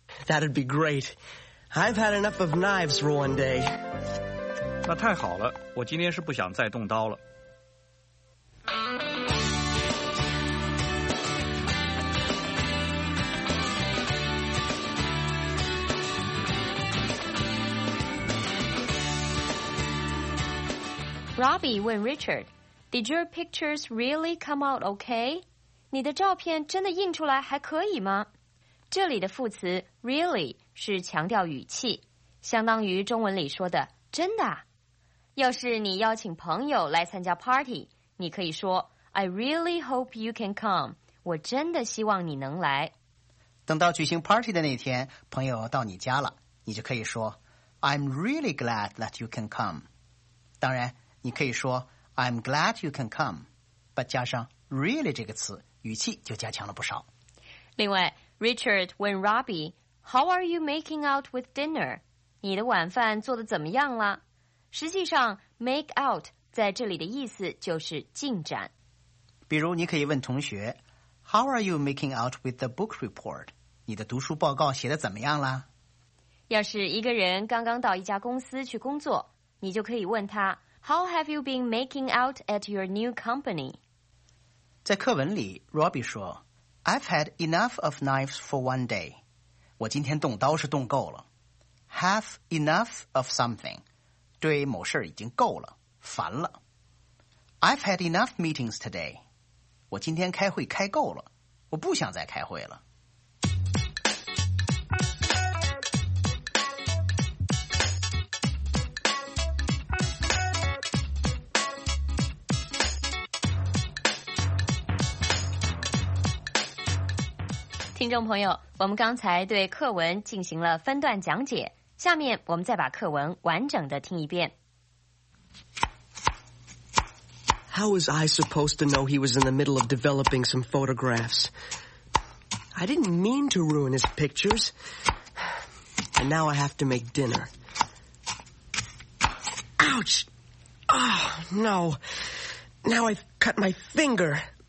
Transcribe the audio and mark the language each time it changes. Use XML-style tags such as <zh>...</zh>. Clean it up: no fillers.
<en>That'd be great. I've had enough of knives for one day.</en> <zh>那太好了，我今天是不想再动刀了。</zh> <en>Robbie 问 Richard, Did your pictures really come out okay?</en> <zh>你的照片真的印出来还可以吗？这里的副词 really 是强调语气，相当于中文里说的真的。要是你邀请朋友来参加 party， 你可以说 I really hope you can come，我真的希望你能来。等到举行 party 的那天，朋友到你家了，你就可以说 I'm really glad that you can come。当然你可以说 I'm glad you can come， but 加上 really 这个词，语气就加强了不少。</zh> <en>另外 Richard 问 Robbie, How are you making out with dinner?</en> <zh>你的晚饭做得怎么样了？实际上 make out 在这里的意思就是进展。</zh> <en>比如你可以问同学 How are you making out with the book report?</en> <zh>你的读书报告写得怎么样了？要是一个人刚刚到一家公司去工作，你就可以问他 How have you been making out at your new company?</zh> <en>在课文里 Robbie 说 I've had enough of knives for one day.</en> <zh>我今天动刀是动够了。</zh> <en>Have enough of something.</en> <zh>对某事已经够了，烦了。</zh> <en>I've had enough meetings today.</en> <zh>我今天开会开够了，我不想再开会了。听众朋友，我们刚才对课文进行了分段讲解，下面我们再把课文完整的听一遍。</zh> <en>How was I supposed to know he was in the middle of developing some photographs? I didn't mean to ruin his pictures. And now I have to make dinner. Ouch! Oh, no! Now I've cut my finger!</en>